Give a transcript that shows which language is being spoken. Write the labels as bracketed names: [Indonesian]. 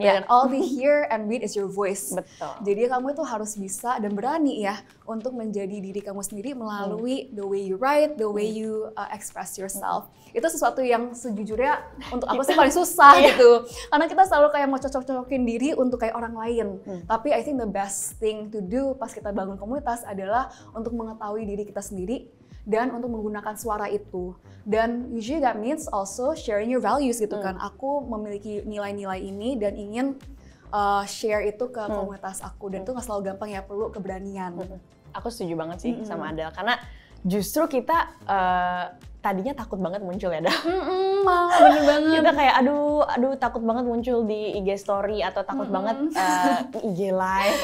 [English] Dan all they hear and read is your voice. [Indonesian] Betul. Jadi kamu itu harus bisa dan berani ya, untuk menjadi diri kamu sendiri melalui [English] the way you write, the way you express yourself. [Indonesian] Itu sesuatu yang sejujurnya untuk aku sih paling susah gitu. Karena kita selalu kayak mau cocok-cocokin diri untuk kayak orang lain. Tapi [English] I think the best thing to do [Indonesian] pas kita bangun komunitas adalah untuk mengetahui diri kita sendiri dan untuk menggunakan suara itu. [English] Dan usually that means also sharing your values gitu kan. [Indonesian] Aku memiliki nilai-nilai ini dan ingin share itu ke komunitas aku. Dan itu gak selalu gampang ya, perlu keberanian. Aku setuju banget sih sama Adel, karena justru kita tadinya takut banget muncul ya, Adel. Bener banget. Kita kayak aduh takut banget muncul di IG story atau takut banget IG live.